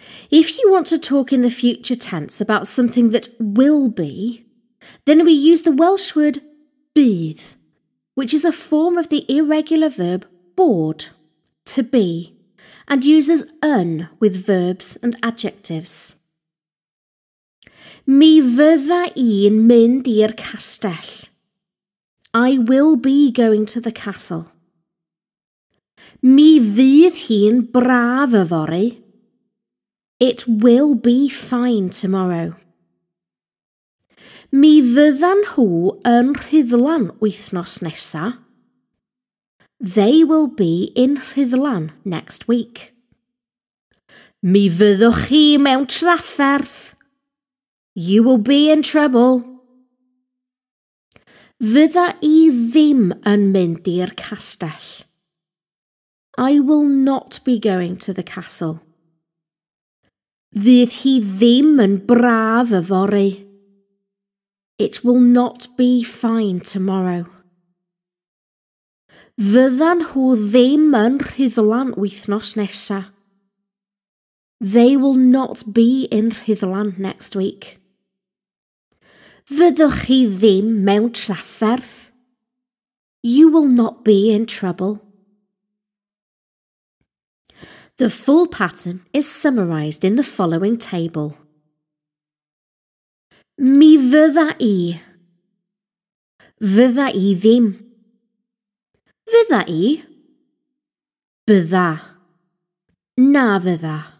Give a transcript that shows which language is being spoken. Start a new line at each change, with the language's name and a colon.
English: If you want to talk in the future tense about something that will be, then we use the Welsh word bydd, which is a form of the irregular verb bod, to be, and uses yn with verbs and adjectives.
Welsh: Mi fydda i'n mynd i'r castell.
English: I will be going to the castle.
Welsh: Mi fydd hi'n braf yfory.
English: It will be fine tomorrow.
Welsh: Mi fyddan nhw yn rhyddlan wythnos nesa.
English: They will be in rhyddlan next week.
Welsh: Mi fyddwch chi mewn trafferth.
English: You will be in trouble.
Welsh: Fydda I ddim yn mynd i'r castell.
English: I will not be going to the castle.
Welsh: Fydd hi ddim yn braf yfory.
English: It will not be fine tomorrow.
Welsh: Fyddan nhw ddim yn rhyddlan wythnos nesa.
English: They will not be in rhyddlan next week.
Welsh: Fyddwch chi ddim mewn trafferth.
English: You will not be in trouble. The full pattern is summarised in the following table.
Welsh: Mi fydda I. Fydda I ddim. Fydda I. Bydda. Na fydda.